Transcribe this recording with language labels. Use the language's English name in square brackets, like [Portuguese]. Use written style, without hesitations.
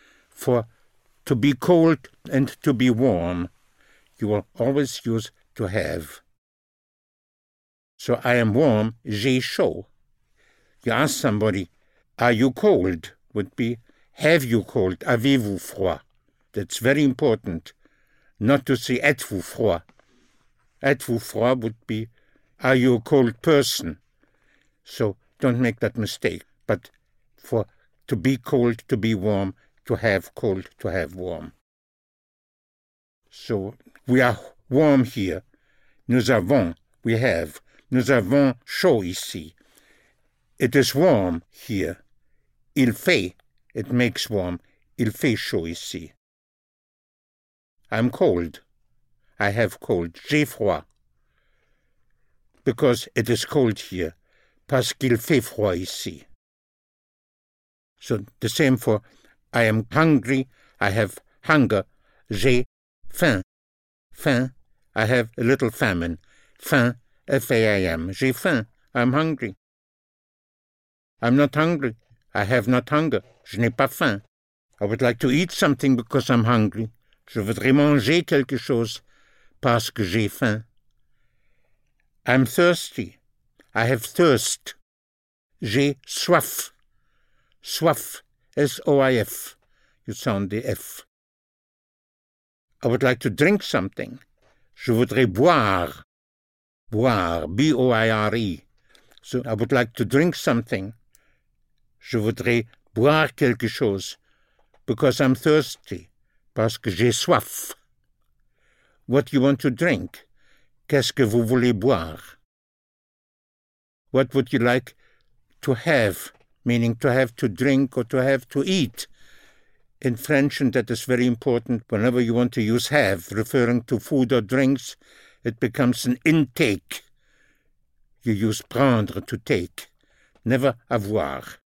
[English] For to be cold and to be warm, you will always use to have. So I am warm, [French] j'ai chaud. [English] You ask somebody, are you cold? Would be, have you cold? [French] Avez-vous froid? [English] That's very important. Not to say, [French] êtes-vous froid? Êtes-vous froid [English] would be, are you a cold person? So don't make that mistake. But for to be cold, to be warm, to have cold, to have warm. So we are warm here. [French] Nous avons, [English] we have. [French] Nous avons chaud ici. [English] It is warm here. [French] Il fait, [English] it makes warm. [French] Il fait chaud ici. [English] I'm cold. I have cold. [French] J'ai froid. [English] Because it is cold here. [French] Parce qu'il fait froid ici. [English] So the same for I am hungry. I have hunger. [French] J'ai faim. Faim. [English] I have a little famine. Faim. F-A-I-M. [French] J'ai faim. [English] I'm hungry. I'm not hungry. I have not hunger. [French] Je n'ai pas faim. [English] I would like to eat something because I'm hungry. [French] Je voudrais manger quelque chose parce que j'ai faim. [English] I'm thirsty. I have thirst. [French] J'ai soif. Soif. [English] S-O-I-F. You sound the F. I would like to drink something. [French] Je voudrais boire. Boire. [English] B-O-I-R-E. So I would like to drink something. [French] Je voudrais boire quelque chose [English] because I'm thirsty, [French] parce que j'ai soif. [English] What do you want to drink? [French] Qu'est-ce que vous voulez boire? [English] What would you like to have, meaning to have to drink or to have to eat? In French, and that is very important, whenever you want to use have, referring to food or drinks, it becomes an intake. You use prendre to take, never avoir.